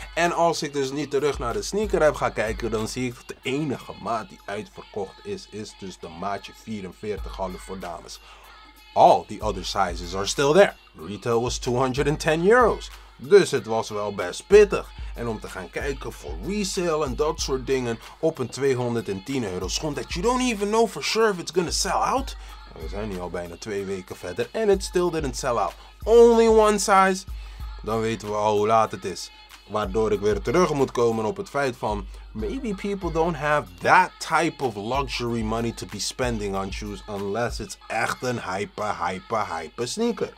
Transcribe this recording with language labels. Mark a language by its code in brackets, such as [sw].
[nl] En als ik dus niet terug naar de sneaker heb gaan kijken, dan zie ik dat de enige maat die uitverkocht is, is dus de maatje 44,5 voor dames. [en] All the other sizes are still there. Retail was 210 euros. [nl] Dus het was wel best pittig. En om te gaan kijken voor resale en dat soort dingen op een 210 euro schoen. [en] That you don't even know for sure if it's gonna sell out. [nl] We zijn nu al bijna 2 weken verder en [en] it still didn't sell out. Only one size. [nl] Dan weten we al hoe laat het is. Waardoor ik weer terug moet komen op het feit van, [en] maybe people don't have that type of luxury money to be spending on shoes. Unless it's [nl] echt een hype sneaker.